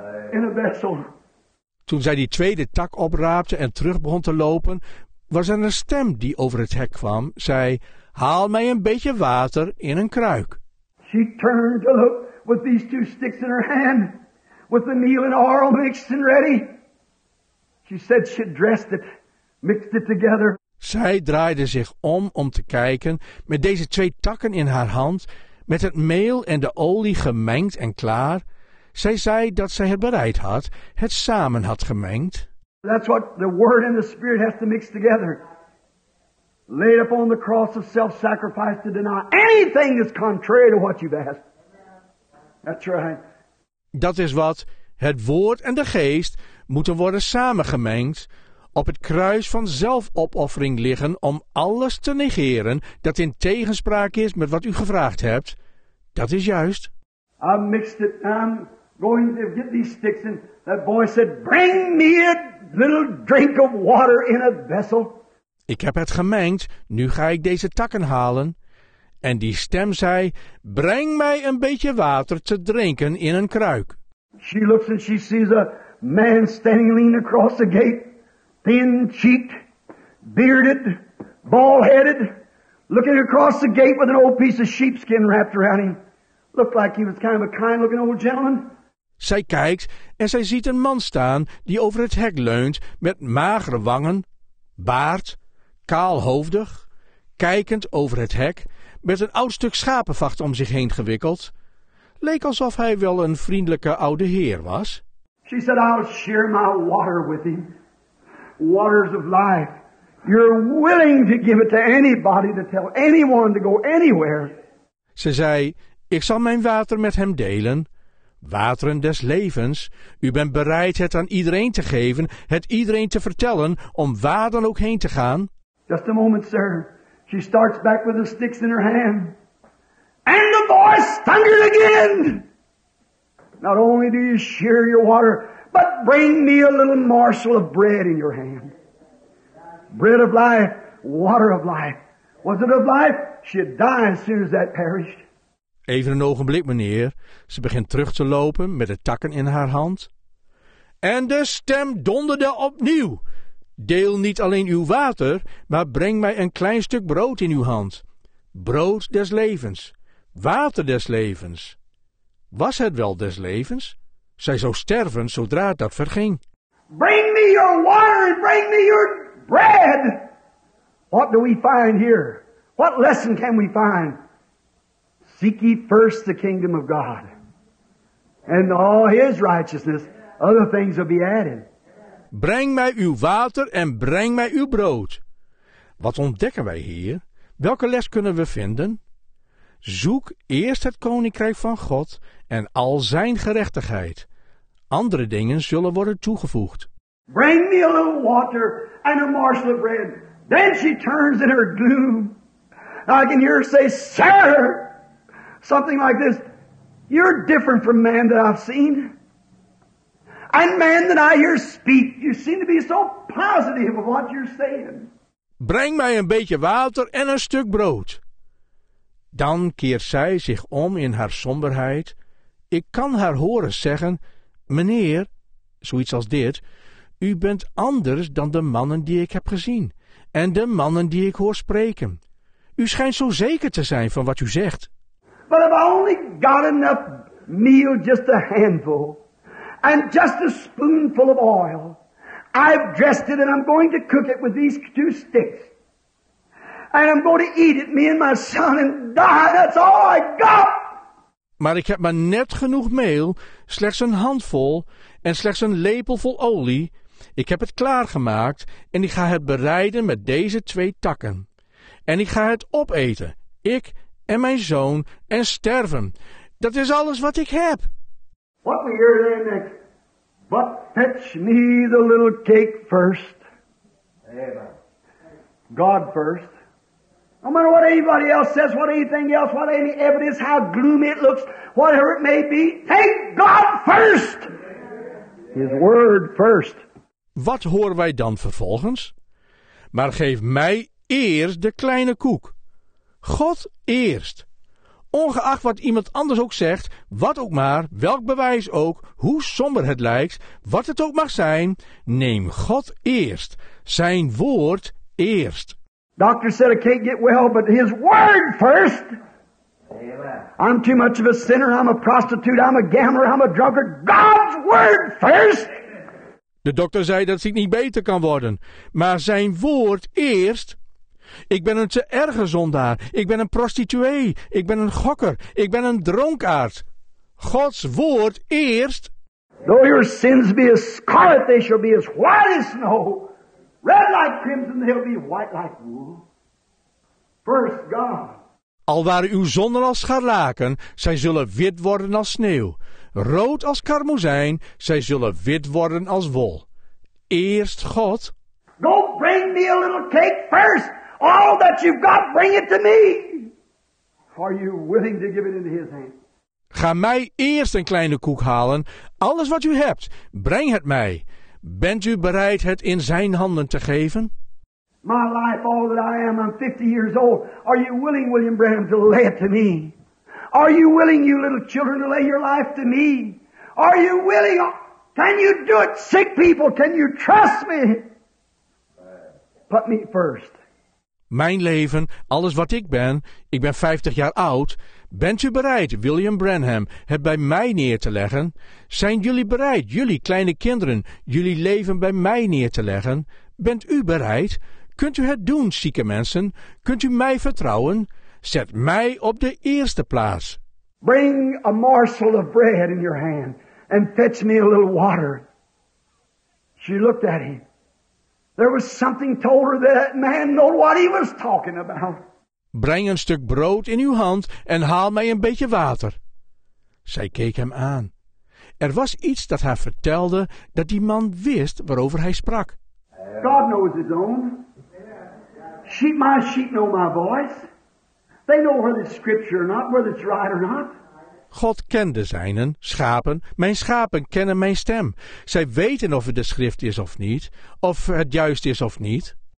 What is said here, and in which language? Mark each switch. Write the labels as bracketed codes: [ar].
[en] in a vessel. [nl] Toen zij die tweede tak opraapte en terug begon te lopen, was er een stem die over het hek kwam, zei: haal mij een beetje water in een kruik. [en] She turned to look with these two sticks in her hand, with the meal and oil mixed and ready. She said she dressed it, mixed it together. [nl] Zij draaide zich om te kijken, met deze twee takken in haar hand, met het meel en de olie gemengd en klaar. Zij zei dat zij het bereid had, het samen had gemengd. [en] That's what the word and the spirit has to mix together. Laid upon the cross of self-sacrifice to deny anything that's contrary to what you've asked. That's right. [nl] Dat is wat het woord en de geest moeten worden samengemengd, op het kruis van zelfopoffering liggen om alles te negeren dat in tegenspraak is met wat u gevraagd hebt. Dat is juist. [en] I mixed it. I'm going to get these sticks. And that boy said, bring me a little drink of water in a vessel. [nl] Ik heb het gemengd, nu ga ik deze takken halen. En die stem zei, breng mij een beetje water te drinken in een kruik. [en] She looks and she sees a man standing leaning across the gate, thin cheeked, bearded, bald headed, looking across the gate with an old piece of sheepskin wrapped around him. Looked like he was kind of a kind looking old gentleman. [nl] Zij kijkt en zij ziet een man staan die over het hek leunt met magere wangen, baard, kaalhoofdig, kijkend over het hek, met een oud stuk schapenvacht om zich heen gewikkeld. Leek alsof hij wel een vriendelijke oude heer was. [en] She said, I'll share my water with him. Waters of life. You're willing to give it to anybody to tell anyone to go anywhere. [nl] Ze zei, ik zal mijn water met hem delen. Wateren des levens. U bent bereid het aan iedereen te geven, het iedereen te vertellen om waar dan ook heen te gaan. [en] Just a moment, sir. She starts back with the sticks in her hand. And the voice thundered again. Not only do you share your water, but bring me a little morsel of bread in your hand. Bread of life, water of life. Was it of life? She'd die as soon as that perished. [nl] Even een ogenblik, meneer. Ze begint terug te lopen met de takken in haar hand. En de stem donderde opnieuw. Deel niet alleen uw water, maar breng mij een klein stuk brood in uw hand. Brood des levens. Water des levens. Was het wel des levens? Zij zou sterven zodra dat verging. [en] Bring me your water and bring me your bread. What do we find here? What lesson can we find? Seek ye first the kingdom of God. And all his righteousness, other things will be added. [nl] Breng mij uw water en breng mij uw brood. Wat ontdekken wij hier? Welke les kunnen we vinden? Zoek eerst het koninkrijk van God en al zijn gerechtigheid. Andere dingen zullen worden toegevoegd. [en] Bring me a little water and a morsel of bread. Then she turns in her gloom. I can hear her say, sir, something like this. You're different from man that I've seen. And man that I hear speak, you seem to be so positive of what you're saying. [nl] Breng mij een beetje water en een stuk brood. Dan keert zij zich om in haar somberheid. Ik kan haar horen zeggen, meneer, zoiets als dit, u bent anders dan de mannen die ik heb gezien en de mannen die ik hoor spreken. U schijnt zo zeker te zijn van wat u zegt. [en] But I've only got enough meal, just a handful. And just a spoonful of oil. I've dressed it and I'm going to cook it with these two sticks. And I'm going to eat it, me and my son, and die. That's all I got. [nl] Maar ik heb maar net genoeg meel, slechts een handvol en slechts een lepelvol olie. Ik heb het klaargemaakt en ik ga het bereiden met deze twee takken. En ik ga het opeten, ik en mijn zoon, en sterven. Dat is alles wat ik heb. [en] What we hear there next? But fetch me the little cake first. Amen. God first. No matter what anybody else says, what anything else, what any evidence, how gloomy it looks, whatever it may be, take God first. Amen. His word first. [nl] Wat horen wij dan vervolgens? Maar geef mij eerst de kleine koek. God eerst. ongeacht wat iemand anders ook zegt, wat ook maar, welk bewijs ook, hoe somber het lijkt, wat het ook mag zijn, neem God eerst, zijn woord eerst. [en] Doctor said I can't get well, but his word first. Amen. I'm too much of a sinner, I'm a prostitute, I'm a gambler, I'm a drunkard. God's word first. [nl] De dokter zei dat het niet beter kan worden, maar zijn woord eerst. Ik ben een te erge zondaar, ik ben een prostituee, ik ben een gokker, ik ben een dronkaard. Gods woord eerst. [en] Though your sins be as scarlet, they shall be as white as snow. Red like crimson, they'll be white like wool. First God. [nl] Al waren uw zonden als scharlaken, zij zullen wit worden als sneeuw. Rood als karmozijn, zij zullen wit worden als wol. Eerst God. [en] Go bring me a little cake first. All that you've got, bring it to me. Are you willing to give it into his hand? [nl] Ga mij eerst een kleine koek halen. Alles wat u hebt, breng het mij. Bent u bereid het in zijn handen te geven? [en] My life, all that I am, I'm 50 years old. Are you willing, William Branham, to lay it to me? Are you willing, you little children, to lay your life to me? Are you willing? Can you do it, sick people? Can you trust me? Put me first. [nl] Mijn leven, alles wat ik ben 50 jaar oud. Bent u bereid, William Branham, het bij mij neer te leggen? Zijn jullie bereid, jullie kleine kinderen, jullie leven bij mij neer te leggen? Bent u bereid? Kunt u het doen, zieke mensen? Kunt u mij vertrouwen? Zet mij op de eerste plaats. [en] Bring a morsel of bread in your hand and fetch me a little water. She looked at him. There was something told her that man knew what he was talking about. [nl] Breng een stuk brood in uw hand en haal mij een beetje water. Zij keek hem aan. Er was iets dat haar vertelde dat die man wist waarover hij sprak. [en] God knows his own. Sheep, my sheep know my voice. They know whether it's scripture or not, whether it's right or not. [nl] God kende zijnen, schapen. Mijn schapen kennen mijn stem. Zij weten of het de schrift is of niet, of het juist is of niet.